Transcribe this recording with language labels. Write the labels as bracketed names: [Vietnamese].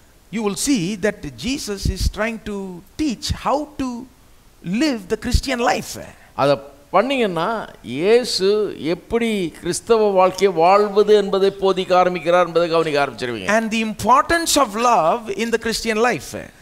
[English] You will see that Jesus is trying to teach how to live the Christian life. [Tamil] அதை பண்ணீங்கன்னா இயேசு எப்படி கிறிஸ்தவ வாழ்க்கையை வாழ்வது என்பதை போதிக்க ஆரம்பிக்கிறார் என்பதை கவனிக்க ஆரம்பிச்சிருவீங்க. [English] And the importance of love in the Christian life.